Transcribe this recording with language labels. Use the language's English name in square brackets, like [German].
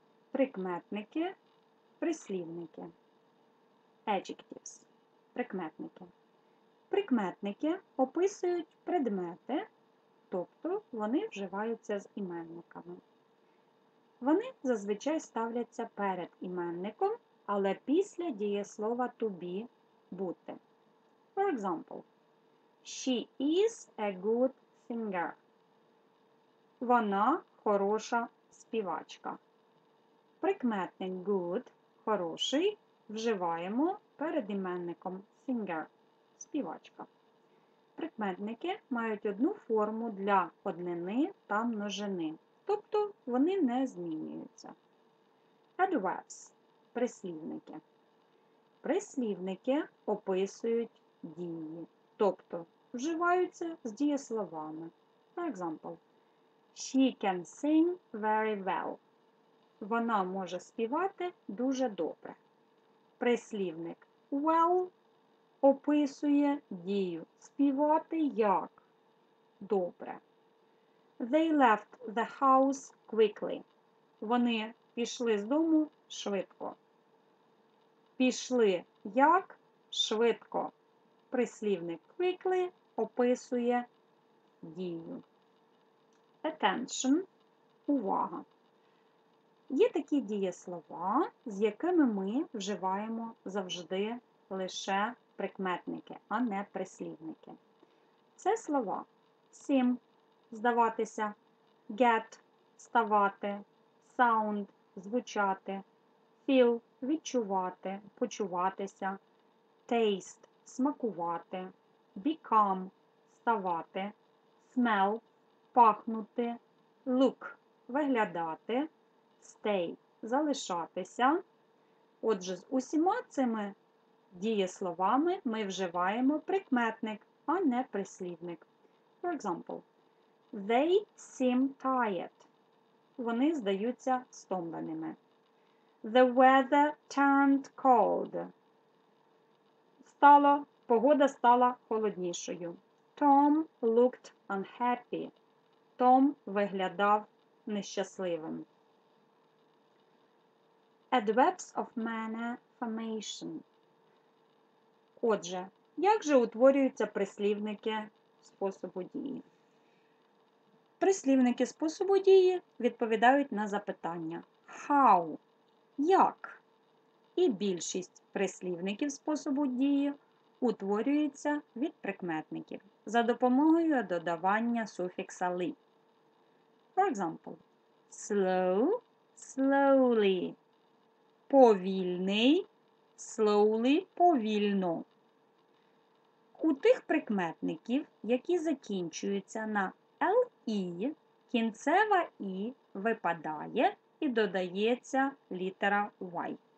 [Ukrainian] Прикметники, прислівники. [English] Adjectives, [Ukrainian] прикметники. Прикметники описують предмети, тобто вони вживаються з іменниками. Вони зазвичай ставляться перед іменником, але після дієслова [English] to be [Ukrainian] – бути. [English] For example, she is a good singer. [Ukrainian] Вона хороша співачка. Прикметник good – хороший вживаємо перед іменником singer – співачка. Прикметники мають одну форму для однини та множини, тобто вони не змінюються. [English] Adverbs [Ukrainian] – прислівники. Прислівники описують дії, тобто вживаються з дієсловами. [English] For example, she can sing very well. [Ukrainian] Вона може співати дуже добре. Прислівник well описує дію співати як добре. [English] They left the house quickly. [Ukrainian] Вони пішли з дому швидко. Пішли як швидко. Прислівник quickly описує дію. [English] Attention [Ukrainian] – увага. Є такі дієслова, з якими ми вживаємо завжди лише прикметники, а не прислівники. Це слова seem – здаватися, get – ставати, sound – звучати, feel – відчувати, почуватися, taste – смакувати, become – ставати, smell – пахнути, look – виглядати, stay – залишатися. Отже, з усіма цими дієсловами ми вживаємо прикметник, а не прислівник. [English] For example, they seem tired. [Ukrainian] Вони здаються стомленими. [English] The weather turned cold. [Ukrainian] Погода стала холоднішою. [English] Tom looked unhappy. [Ukrainian] Том виглядав нещасливим. [English] Adverbs of manner formation. [Ukrainian] Отже, як же утворюються прислівники способу дії? Прислівники способу дії відповідають на запитання how – як? І більшість прислівників способу дії утворюється від прикметників за допомогою додавання суфікса -ly. [English] For example, slow – slowly. [Ukrainian] Повільний – slowly – повільно. У тих прикметників, які закінчуються на «ли», кінцева «і» випадає і додається літера «y».